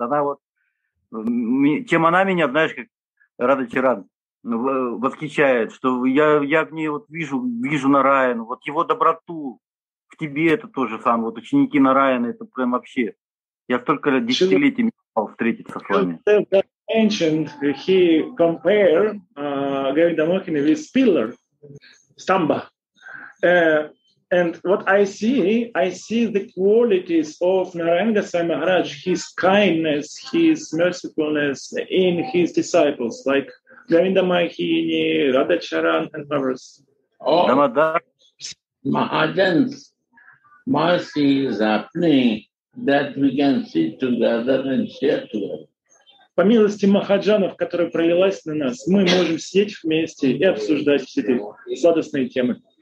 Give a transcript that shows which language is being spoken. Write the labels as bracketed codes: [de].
[ru] Она вот чем она меня, знаешь, как Радха Чаран восхищает, что я в ней вот вижу Нараяну, вот его доброту в тебе это то же самое. Вот ученики Нараяны это прям вообще. Я столько лет десятилетиями встретиться с вами. [en] Mentioned he compare Govinda Mohini with pillar, stamba, and what I see the qualities of Narayana Goswami Maharaj, his kindness, his mercifulness in his disciples like Govinda Mohini, Radha Charan, and others. Mahajan's mercy is happening. That we can sit together and share together. [ru] По милости Махаджанов, которая пролилась на нас, мы можем сидеть вместе и обсуждать все эти сладостные темы.